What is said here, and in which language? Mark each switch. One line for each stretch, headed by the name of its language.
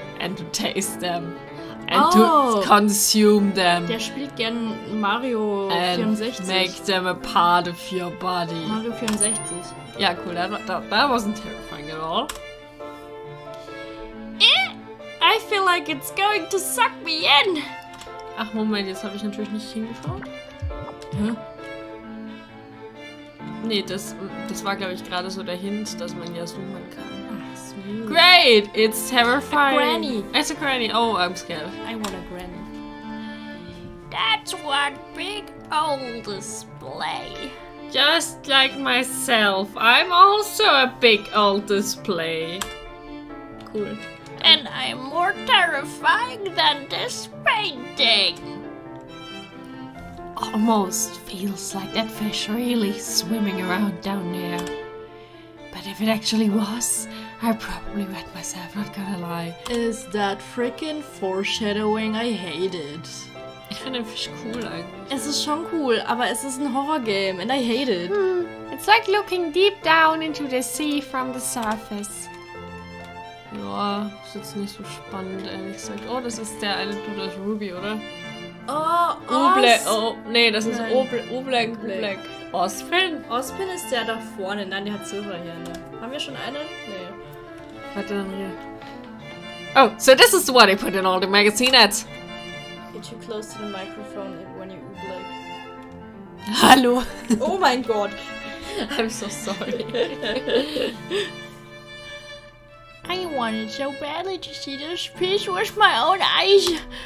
English: And to taste them. And to consume them.
German: Der spielt gern Mario 64.
English: And make them a part of your body.
German: Mario 64.
English: Yeah, cool. That wasn't terrifying at all. I feel like it's going to suck me in.
German: Ach Moment, jetzt habe ich natürlich nicht hingeschaut. Hä? Nee, das war glaube ich gerade so der Hint, dass man ja zoomen kann. Ach, sweet.
English: Great, it's terrifying. A granny. It's a granny. Oh, I'm scared. I want a granny. That's one big old display. Just like myself, I'm also a big old display. Cool. And I'm more terrifying than this painting. Almost feels like that fish really swimming around down there. But if it actually was, I probably wet myself, not gonna lie. Is that freaking foreshadowing? I hate it.
German: Ich finde den Fisch cool eigentlich. Es ist schon cool, aber es ist ein Horrorgame
English: and I hate it. Hmm. It's like looking deep down into the sea from the surface.
German: Ja, ist jetzt nicht so spannend, ehrlich gesagt. Oh, das ist der eine Dude aus Ruby, oder? Oh, Oblack. Ospin? Ospin ist der da vorne. Nein, der hat Silber hier. Ne? Haben wir schon einen? Nee. Warte, dann hier.
English: Oh, so this is what I put in all the magazine ads. Get you close to the microphone when you like.
German: Hallo. Oh mein Gott.
English: I'm so sorry. I wanted so badly to see this piece with my own eyes.